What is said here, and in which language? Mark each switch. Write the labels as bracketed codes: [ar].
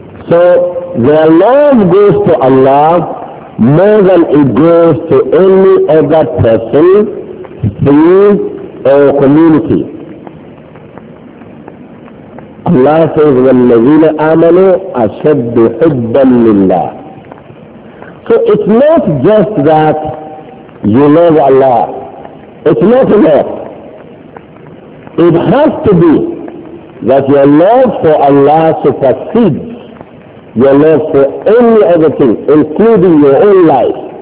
[en] So their love goes to Allah more than it goes to any other person, thing, or community. Allah says, [ar] وَالَّذِينَ آمَنُوا أَشَدُّ حُبًّا لِلَّهِ. [en] So it's not just that you love Allah. It's not enough. It has to be that your love for Allah supersedes your love for any other thing, including your own life.